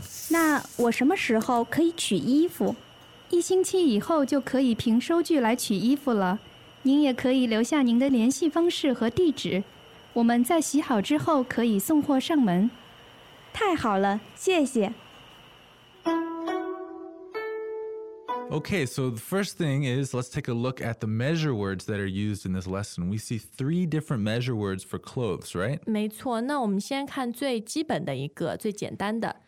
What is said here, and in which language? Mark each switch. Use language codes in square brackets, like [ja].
[zh] 那我什么时候可以取衣服？一星期以后就可以凭收据来取衣服了。您也可以留下您的联系方式和地址，我们在洗好之后可以送货上门。太好了，谢谢。 [en] Okay, so the first thing is, let's take a look at the measure words that are used in this lesson. We see three different measure words for clothes, right? [zh] 没错，那我们先看最基本的一个，最简单的。